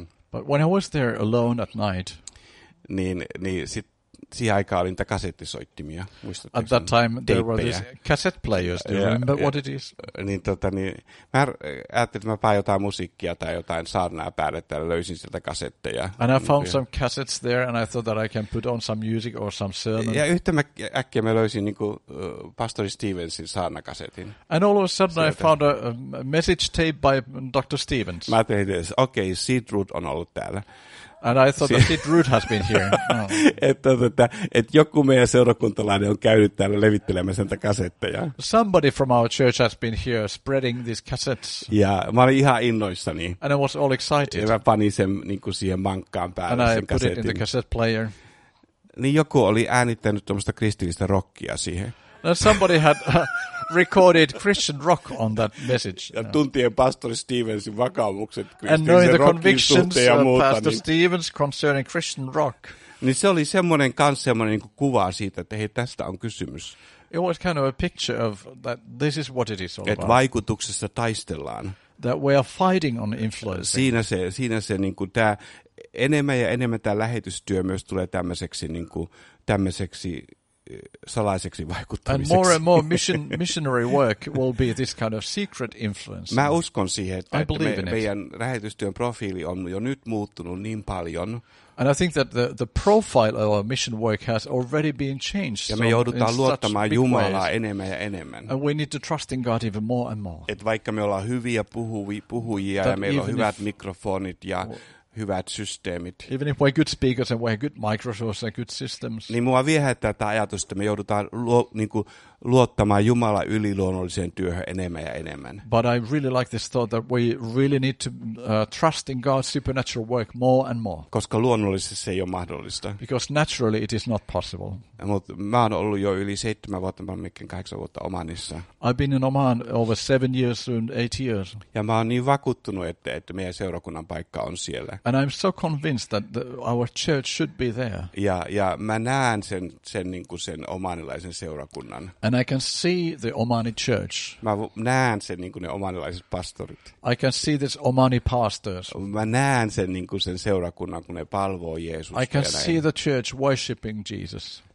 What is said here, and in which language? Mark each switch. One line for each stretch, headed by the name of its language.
English: But when I was there alone at night.
Finnish: Niin sitten. Siihen aikaan oli niitä kasettisoittimia, muistatteko?
English: At that time there were these cassette players, do you remember what it is?
Finnish: Niin, mä ajattelin, että mä pääin jotain musiikkia tai jotain saarnaa päälle, että löysin sieltä kasetteja.
English: And I found some cassettes there and I thought that I can put on some music or some sermon.
Finnish: Ja yhtä äkkiä mä löysin niin kuin Pastori Stevensin saarnakasetin.
English: And all of a sudden
Finnish: sieltä.
English: I found a message tape by Dr. Stevens.
Finnish: Mä ajattelin, että okay, Sid Root on ollut täällä.
English: And I thought that Sid Root has been here.
Finnish: Että joku meidän seurakuntalainen on käynyt täällä levittelemässä näitä kasetteja.
English: Somebody from our church has been here spreading these cassettes.
Finnish: Ja mä olin ihan innoissani.
English: And I was all excited.
Finnish: Ja mä panin sen niin kuin siihen mankkaan päälle
English: and
Finnish: sen
English: I put
Finnish: kasetin.
English: It in the cassette player.
Finnish: Niin joku oli äänittänyt tuommoista kristillistä rockia siihen.
English: Now somebody had recorded Christian rock on that message.
Finnish: Ja tuntien pastori Stevensin vakaumukset
English: and knowing the convictions of Pastor Stevens concerning Christian rock.
Finnish: Niin se oli semmoinen kanssa semmoinen niin kuin kuva siitä, että hei, tästä on kysymys.
English: It was kind of a picture of that this is what it is all about.
Finnish: Että vaikutuksessa taistellaan.
English: That we are fighting on influence.
Finnish: Siinä se niin kuin tämä enemmän ja enemmän tämä lähetystyö myös tulee tämmöiseksi niin kuin tämmöiseksi salaiseksi vaikuttamiseksi.
English: And more and more missionary work will be this kind of secret influence.
Finnish: Mä uskon siihen, että meidän lähetystyön profiili on jo nyt muuttunut niin paljon.
English: And I think that the profile of our mission work has already been changed.
Finnish: Ja me joudutaan luottamaan Jumalaa enemmän ja enemmän.
English: And we need to trust in God even more and more.
Finnish: Et vaikka me ollaan hyviä puhujia ja meillä on hyvät mikrofonit ja hyvät systeemit.
English: Even if we're good speakers and we're good microsources and good systems.
Finnish: Niin mua viehättää tämä ajatus, että me joudutaan luottamaan Jumalan yliluonnolliseen työhön enemmän ja enemmän.
English: But I really like this thought that we really need to trust in God's supernatural work more and more.
Finnish: Koska luonnollisesti se ei ole mahdollista.
English: Because naturally it is not possible.
Finnish: Mutta mä oon ollut jo yli 7 vuotta, mä oon melkein 8 vuotta Omanissa.
English: I've been in Oman over 7 years, soon 8 years.
Finnish: Ja mä oon niin vakuuttunut, että meidän seurakunnan paikka on siellä.
English: And I'm so convinced that our church should be there.
Finnish: Ja mä näen sen niin kuin sen omanilaisen seurakunnan.
English: And I can see the Omani church.
Finnish: Mä näen sen niin kuin ne omanilaiset pastorit.
English: I can see this Omani pastors.
Finnish: Mä näen sen niin kuin sen seurakunnan, kun ne palvoo Jeesusta.
English: I can see the church worshiping Jesus.